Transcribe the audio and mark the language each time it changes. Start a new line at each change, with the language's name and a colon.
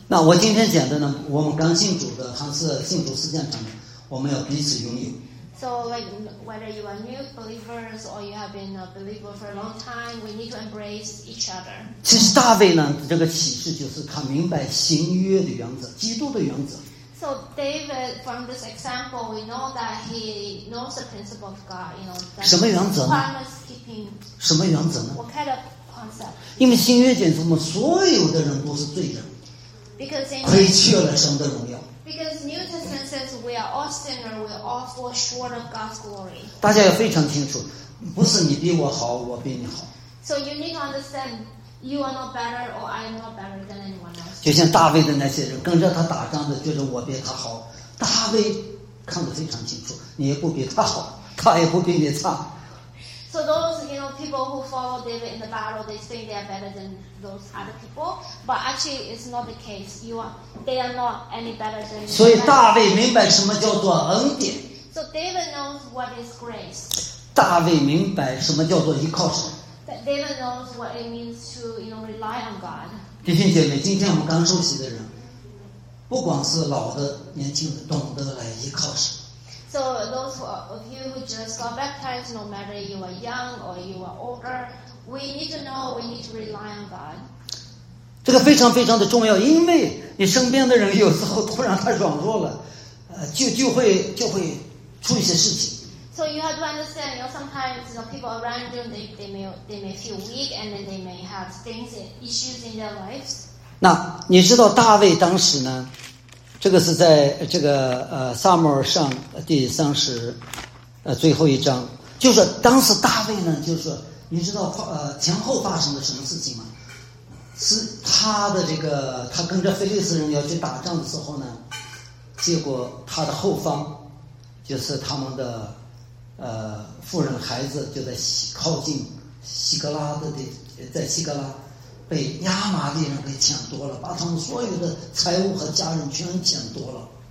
Chinese: 那我今天讲的呢，我们刚信主的还是信主实践者，我们要彼此拥有。
English: So like whether you are new believers or you have been a believer for a long time, we need to embrace each other.
Chinese: 其实大卫呢，这个启示就是他明白新约的原则，基督的原则。
English: So David, from this example, we know that he knows the principle of God. You know, that
Chinese: 什么原则呢？
English: Promise keeping.
Chinese: 什么原则呢？
English: What kind of concept?
Chinese: 因为新约讲什么？所有的人都是罪人。
English: Because
Chinese: 亏缺了神的荣耀。
English: Because New Testament says we are all sinners, we all fall short of God's glory.
Chinese: 大家要非常清楚，不是你比我好，我比你好。
English: So you need to understand. You are not better, or I am not better than anyone else.
Chinese: 就像大卫的那些人跟着他打仗的，觉得我比他好。大卫看得非常清楚，你也不比他好，他也不比你差。
English: So those, you know, people who follow David in the battle, they think they are better than those other people. But actually, it's not the case. They are not any better than.
Chinese: 所以大卫明白什么叫做恩典。
English: So David knows what is grace.
Chinese: 大卫明白什么叫做依靠神。
English: David knows what it means to, you know, rely on God.
Chinese: 弟兄姐妹，今天我们刚受洗的人，不管是老的、年轻的，懂得来依靠神。
English: So those of you who just got baptized, no matter you are young or you are older, we need to know we need to rely on God.
Chinese: 这个非常非常的重要，因为你身边的人有时候突然他软弱了，就会出一些事情。
English: So you have to understand, you know, sometimes, you know, people around you, they may feel weak, and then they may have things, issues in their lives.
Chinese: 那你知道大卫当时呢，这个是在这个撒母耳上第三十最后一章，就是当时大卫呢，就是你知道前后发生的什么事情吗？是他的这个他跟着腓力斯人要去打仗的时候呢，结果他的后方就是他们的妇人孩子就在靠近希格拉的地，在希格拉被亚玛力人给抢夺了，把他们所有的财物和家人全抢夺了。